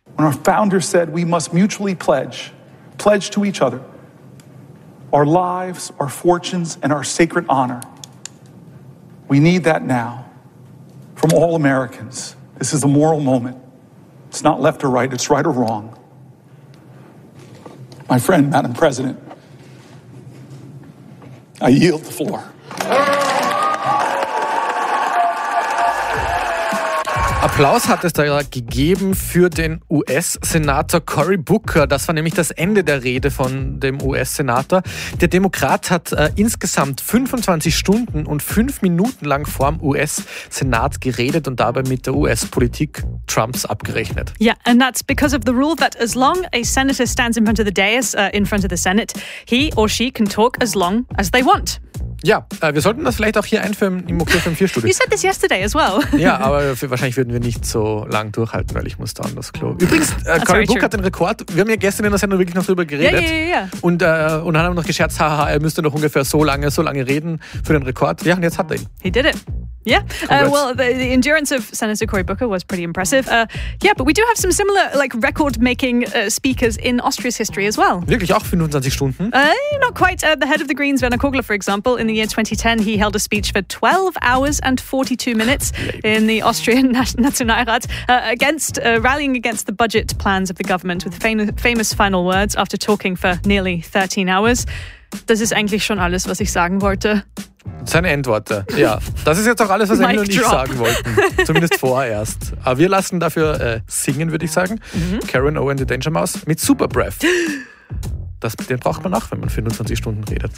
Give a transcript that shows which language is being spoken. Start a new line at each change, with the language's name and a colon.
English: When our founder said we must mutually pledge to each other, our lives, our fortunes, and our sacred honor, we need that now from all Americans. This is a moral moment. It's not left or right, it's right or wrong. My friend, Madam President, I yield the floor.
German: Applaus hat es da ja gegeben für den US-Senator Cory Booker. Das war nämlich das Ende der Rede von dem US-Senator. Der Demokrat hat insgesamt 25 Stunden und 5 Minuten lang vorm US-Senat geredet und dabei mit der US-Politik Trumps abgerechnet.
English: Yeah, and that's because of the rule that as long a senator stands in front of the dais, in front of the Senate, he or she can talk as long as they want.
German: Ja, wir sollten das vielleicht auch hier einführen im OK54-Studio.
English: You said this yesterday as well.
German: Ja, aber wahrscheinlich würden wir nicht so lang durchhalten, weil ich muss da an das Klo. Übrigens, Cory Booker hat den Rekord. Wir haben ja gestern in der Sendung wirklich noch drüber geredet. Ja. Und dann haben noch gescherzt, haha, er müsste noch ungefähr so lange reden für den Rekord. Ja, und jetzt hat er ihn.
English: He did it. Yeah, well, the endurance of Senator Cory Booker was pretty impressive. Yeah, but we do have some similar, like, record-making speakers in Austria's history as well.
German: Wirklich auch 25 Stunden?
English: Not quite. The head of the Greens, Werner Kogler, for example, in the the year 2010, he held a speech for 12 hours and 42 minutes in the Austrian Nationalrat against rallying against the budget plans of the government with famous final words after talking for nearly 13 hours.
German: Das ist eigentlich schon alles, was ich sagen wollte. Seine Endworte, ja. Das ist jetzt auch alles, was Engel und ich sagen wollten. Zumindest vorerst. Aber wir lassen dafür singen, würde ich sagen. Mhm. Karen O and the Danger Mouse mit Super Breath. Den braucht man auch, wenn man 25 Stunden redet.